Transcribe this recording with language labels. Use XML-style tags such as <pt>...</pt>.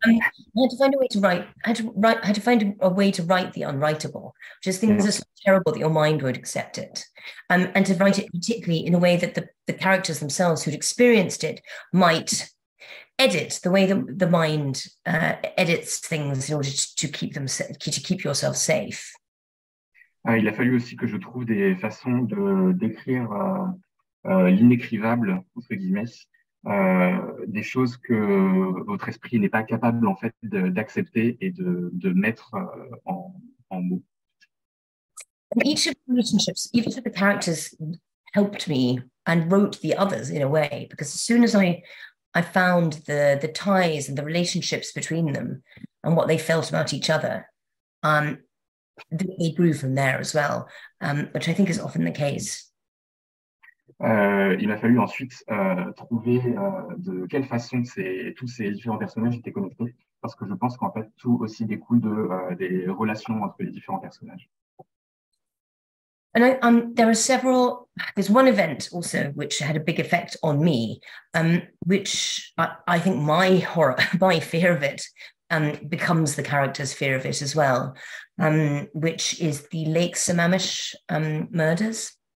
<en>I had to find a way to write the unwritable, which is things are so terrible that your mind would accept it. And to write it particularly in a way that the characters themselves who'd experienced it might edit the way the mind edits things in order to keep yourself safe.</en> <fr>Il a fallu aussi que je trouve des façons de d'écrire l'inécrivable, entre guillemets. Des choses que votre esprit n'est pas capable en fait d'accepter et de mettre en mots.</fr> <en>And each of the relationships, each of the characters helped me and wrote the others in a way, because as soon as I found the ties and the relationships between them and what they felt about each other, they grew from there as well, which I think is often the case.</en> <fr>Il m'a fallu ensuite trouver de quelle façon tous ces différents personnages étaient connectés, parce que je pense qu'en fait tout aussi découle des relations entre les différents personnages.</fr> <en>And there are several. There's one event also which had a big effect on me, which I think my horror, my fear of it, becomes the character's fear of it as well, which is the Lake Sammamish murders.</en>